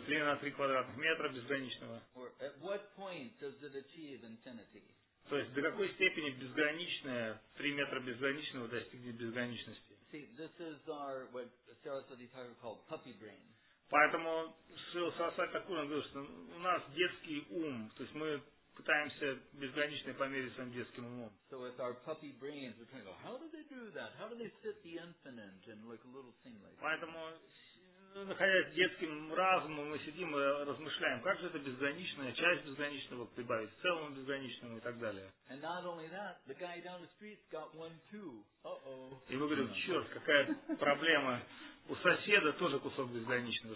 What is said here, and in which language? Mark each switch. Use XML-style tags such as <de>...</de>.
<ru>3 на 3 квадратных метра безграничного?</ru> <en>Or at what point does it achieve infinity?</en> <ru>То есть до какой степени безграничное, 3 метра безграничного достигнет безграничности?</ru> <en>See, this is our, what Sarasvati Thakur called puppy brain.</en> <ru>Поэтому Шрила Сарасвати Такур говорит, что у нас детский ум, то есть мы пытаемся безгранично померить своим детским умом.</ru> <en>So with our puppy brains, we're trying to go, how do they do that? How do they fit the infinite in like a little thing like that?</en> <ru>Поэтому, находясь детским разумом, мы сидим и размышляем, как же это безграничное, часть безграничного прибавить к целому безграничному и так далее.</ru> <en>And not only that, the guy down the street's got one too.</en> <ru>И мы говорим, черт, какая проблема. У соседа тоже кусок безграничного.</ru>